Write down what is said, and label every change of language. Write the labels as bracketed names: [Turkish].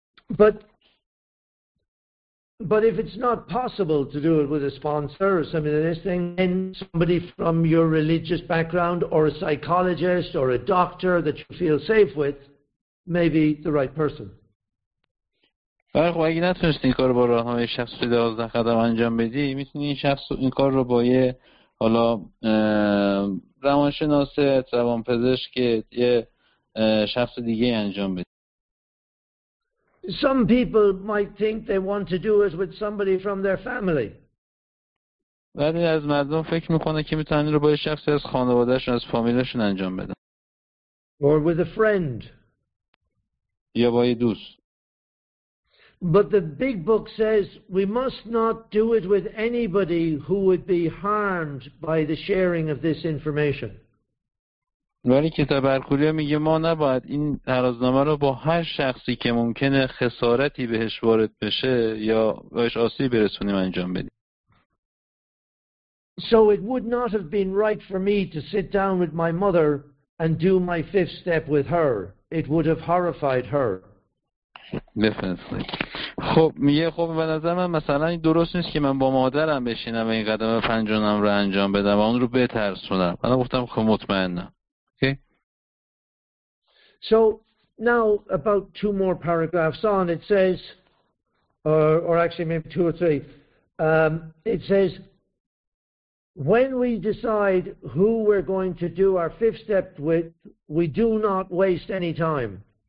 [English] But if it's not possible to do it with a sponsor or something like this, then somebody from your religious background or a psychologist or a doctor that you feel safe with may be the right person. [Persian] خب اگه نتونستی این کار رو با راهنمای شخصی 12 قدم انجام بدی، میتونی این شخص این کار رو با یه حالا روانشناس، روانپزشک یه شخص دیگه انجام بدی. [English] Some people might think they want to do it with somebody from their family. [Persian] بعضی از مردم فکر میکنه که میتونن رو با شخصی از خانوادهشون از فامیلشون انجام بدن. [English] Or with a friend. [Persian] یا با یه دوست. [English] But the big book says we must not do it with anybody who would be harmed by the sharing of this information. [Persian] ولی کتاب الکلیه میگه ما نباید این ترازنامه رو با هر شخصی که ممکنه خسارتی بهش وارد بشه یا بهش آسیب برسونیم انجام بدیم. [English] So it would not have been right for me to sit down with my mother and do my fifth step with her. It would have horrified her. Definitely. [Persian] خب میگه خب به نظر من مثلا درست نیست که من با مادرم بشینم و این قدم پنجانم رو انجام بدم و اون رو بترسونم. من گفتم خب مطمئنم. [English] So now about two more paragraphs on, it says, or actually maybe two or three, it says, when we decide who we're going to do our fifth step with, we do not waste any time.